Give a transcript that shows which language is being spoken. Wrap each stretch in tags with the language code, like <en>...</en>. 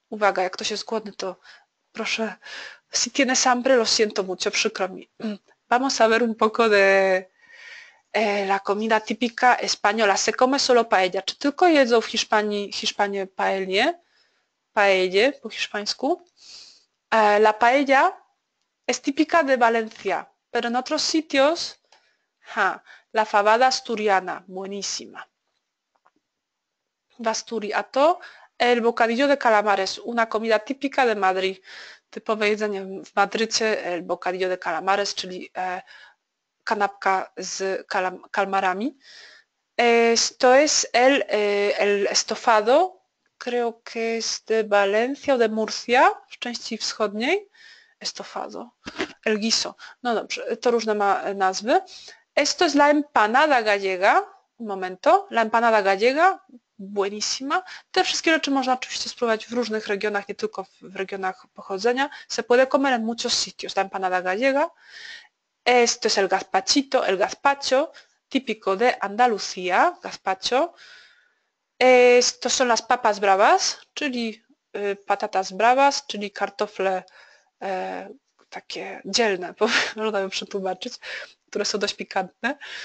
<pl>Uwaga, jak ktoś jest głodny, to proszę.</pl> <es>Si tienes hambre, lo siento mucho.</es> <pl>Przykro mi.</pl> <es>Vamos a ver un poco de la comida típica española. Se come solo paella.</es> <pl>Czy tylko jedzą w Hiszpanii Hiszpanie paelie? Paelle po hiszpańsku.</pl> <es>La paella es típica de Valencia, pero en otros sitios, la fabada asturiana, buenísima. Asturias,</es> <pl>a to</pl> <es>el bocadillo de calamares, una comida típica de Madrid.</es> <pl>Typowe jedzenie w Madrycie,</pl> <es>el bocadillo de calamares,</es> <pl>czyli kanapka z kalmarami.</pl> <es>Esto es el estofado. Creo que es de Valencia o de Murcia,</es> <pl>w części wschodniej.</pl> <es>Estofado. El guiso.</es> <pl>No dobrze, to różne ma nazwy.</pl> <es>Esto es la empanada gallega. Un momento. La empanada gallega. Buenísima.</es> <pl>Te wszystkie rzeczy można oczywiście spróbować w różnych regionach, nie tylko w regionach pochodzenia.</pl> <es>Se puede comer en muchos sitios. La empanada gallega. Esto es el gazpachito, el gazpacho. Típico de Andalucía. Gazpacho.</es> <pl>To są</pl> <es>las papas bravas,</es> <pl>czyli</pl> <es>patatas bravas,</es> <pl>czyli kartofle takie dzielne, można by przetłumaczyć, które są dość pikantne.</pl>